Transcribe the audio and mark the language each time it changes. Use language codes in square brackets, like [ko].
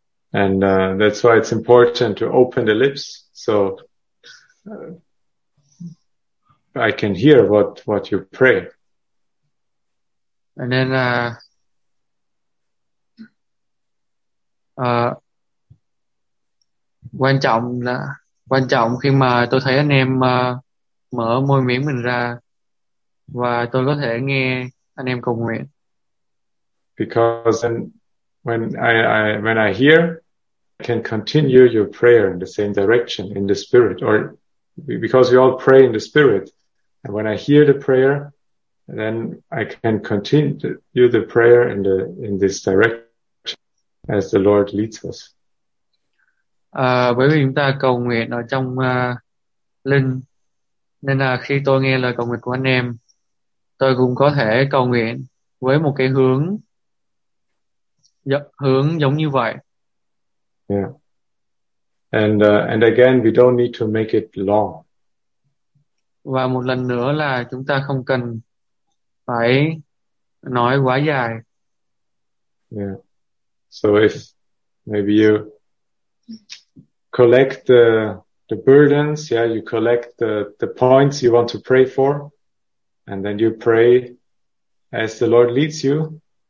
[en] And that's why it's important to open the lips so I can hear what you pray. And then [vi] quan trọng khi mà tôi thấy anh em mở môi miệng mình ra và tôi có thể nghe anh em cầu nguyện. [en] Because then when I hear, I can continue your prayer in the same direction in the spirit, or because we all pray in the spirit, and when I hear the prayer, then I can continue the prayer in this direction as the Lord leads us. [vi] Bởi vì chúng ta cầu nguyện ở trong linh, nên là khi tôi nghe lời cầu nguyện của anh em, tôi cũng có thể cầu nguyện với một cái hướng giống như vậy. [en] Yeah. And again, we don't need to make it long. [vi] Và một lần nữa là chúng ta không cần phải nói quá dài. [en] Yeah. So if maybe you collect the burdens, yeah, you collect the points you want to pray for, and then you pray as the Lord leads you.